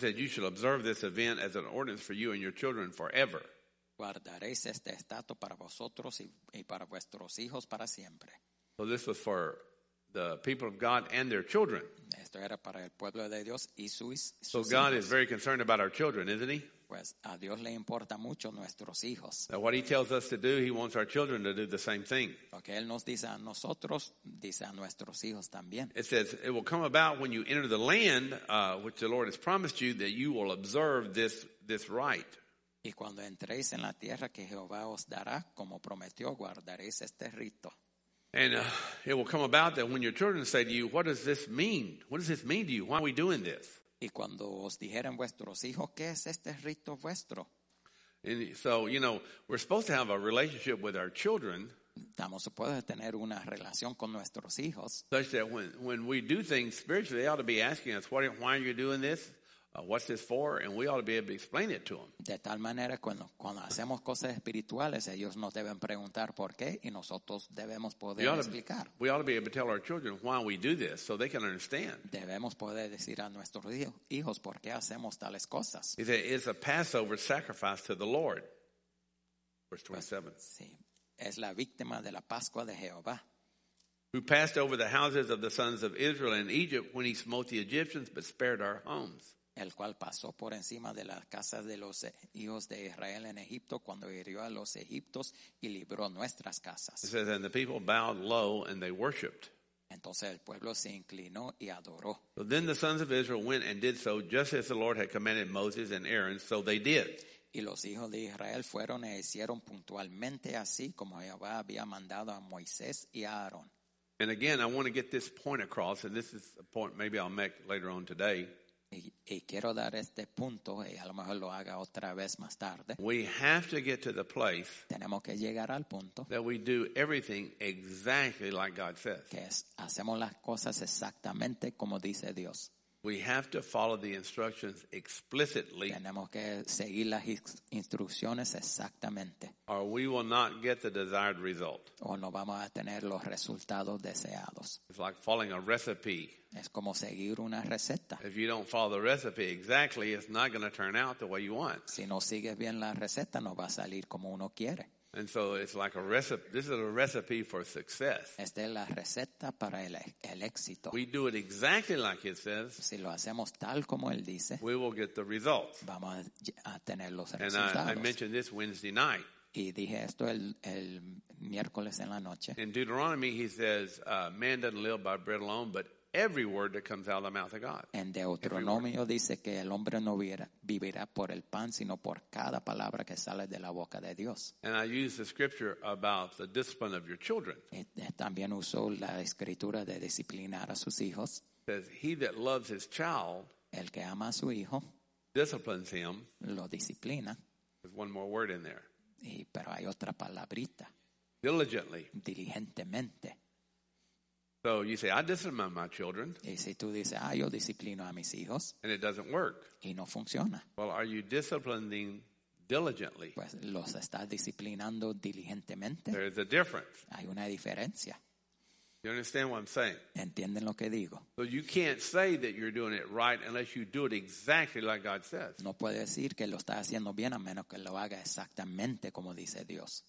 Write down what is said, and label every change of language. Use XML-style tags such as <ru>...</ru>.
<en>says, you shall observe this event as an ordinance for you and your children forever.</en> <es>Guardaréis este estatuto para vosotros y para vuestros hijos para siempre.</es> <en>So this was for the people of God and their children.</en> <es>Esto era para el pueblo de Dios y sus</es> <en>so God is very concerned about our children, isn't he?</en> <es>Pues a Dios le importa mucho nuestros hijos.</es> <en>Now what he tells us to do, he wants our children to do the same thing.</en> <es>Lo que él nos dice a nosotros, dice a nuestros hijos también.</es> <en>It says, it will come about when you enter the land, which the Lord has promised you, that you will observe this rite.</en> <es>Y cuando entréis en la tierra que Jehová os dará, como prometió, guardaréis este rito.</es> <en>And it will come about that when your children say to you, what does this mean? What does this mean to you? Why are we doing this?</en> <es>Y cuando os dijeran vuestros hijos, ¿qué es este rito vuestro?</es> <en>And so, you know, we're supposed to have a relationship with our children.</en> <es>Estamos supuestos a tener una relación con nuestros hijos.</es> <en>Such that when we do things spiritually, they ought to be asking us, why are you doing this? What's this for? And we ought to be able to explain it to them.</en> <es>De tal manera, cuando hacemos cosas espirituales, ellos nos deben preguntar por qué, y nosotros debemos poder explicar.</es> <en>We ought to be able to tell our children why we do this, so they can understand.</en> <es>Debemos poder decir a nuestros hijos por qué hacemos tales cosas.</es> <en>It's a Passover sacrifice to the Lord. Verse 27.</en> <es>Pues, sí. Es la víctima de la Pascua de Jehová.</es> <en>who passed over the houses of the sons of Israel in Egypt when he smote the Egyptians but spared our homes.</en> <es>El cual pasó por encima de las casas de los hijos de Israel en Egipto cuando hirió a los egipcios y libró nuestras casas.</es> <en>It says, and the people bowed low and they worshipped.</en> <es>Entonces el pueblo se inclinó y adoró.</es> <en>So then the sons of Israel went and did so just as the Lord had commanded Moses and Aaron, so they did.</en> <es>Y los hijos de Israel fueron e hicieron puntualmente así como Jehová había mandado a Moisés y a Aarón.</es> <en>And again, I want to get this point across, and this is a point maybe I'll make later on today.</en> <es>Y quiero dar este punto, y a lo mejor lo haga otra vez más tarde.</es> <en>We have to get to the place,</en> <es>tenemos que llegar al punto,</es> <en>that we do everything exactly like God says.</en> <es>Que es, hacemos las cosas exactamente como dice Dios.</es> <en>We have to follow the instructions explicitly.</en> <es>Tenemos que seguir las instrucciones exactamente.</es> <en>Or we will not get the desired result.</en> <es>O no vamos a tener los resultados deseados.</es> <en>It's like following a recipe.</en> <es>Es como seguir una receta.</es> <en>If you don't follow the recipe exactly, it's not going to turn out the way you want.</en> <es>Si no sigues bien la receta, no va a salir como uno quiere.</es> <en>And so it's like a recipe. This is a recipe for success.</en> <es>Esta es la receta para el éxito.</es> <en>We do it exactly like it says.</en> <es>Si lo hacemos tal como él dice,</es> <en>we will get the results.</en> <es>Vamos a tener los</es> <en>and</en> <es>resultados.</es> <en>I mentioned this Wednesday night.</en> <es>Y dije esto el miércoles en la noche.</es> <en>In Deuteronomy, he says, man doesn't live by bread alone, but every word that comes out of the mouth of God.</en> <es>En Deuteronomio dice que el hombre no vivirá por el pan, sino por cada palabra que sale de la boca de Dios.</es> <en>And I use the scripture about the discipline of your children.</en> <es>También uso la escritura de disciplinar a sus hijos.</es> <en>It says, he that loves his child,</en> <es>el que ama a su hijo,</es> <en>disciplines him,</en> <es>lo disciplina.</es> <en>There's one more word in there.</en> <es>Y, pero hay otra palabrita.</es> <en>Diligently.</en> <es>Diligentemente.</es> <en>So you say, I discipline my children.</en> <es>Y si tú dices, ah, yo disciplino a mis hijos.</es> <en>And it doesn't work.</en> <es>Y no funciona.</es> <en>Well, are you disciplining diligently?</en> <es>Pues los estás disciplinando diligentemente.</es> <en>There is a difference.</en> <es>Hay una diferencia.</es> <en>You understand what I'm saying?</en> <es>¿Entienden lo que digo?</es> <en>So you can't say that you're doing it right unless you do it exactly like God says.</en> <es>No puedes decir que lo estás haciendo bien a menos que lo haga exactamente como dice Dios.</es>